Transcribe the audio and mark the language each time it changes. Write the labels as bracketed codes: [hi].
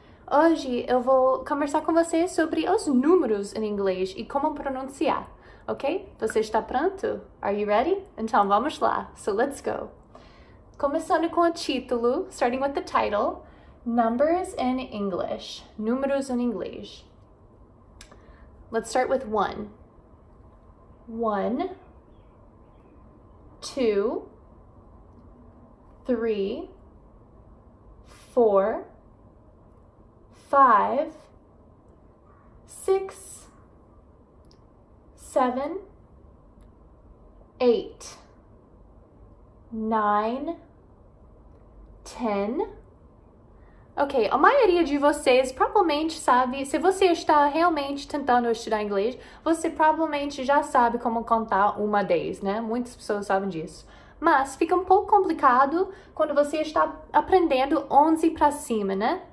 [pt] Hoje eu vou conversar com vocês sobre os números em inglês e como pronunciar, ok? Você está pronto? [en] Are you ready? [pt] Então vamos lá, [en] so let's go! [pt] Começando com o título, [en] starting with the title, Numbers in English, [pt] Números em Inglês. [en] Let's start with one. One, two, three, four, five, six, seven, eight, nine, ten. [pt] Ok, a maioria de vocês provavelmente sabe, se você está realmente tentando estudar inglês, você provavelmente já sabe como contar uma 10, né? Muitas pessoas sabem disso. Mas fica um pouco complicado quando você está aprendendo 11 para cima, né?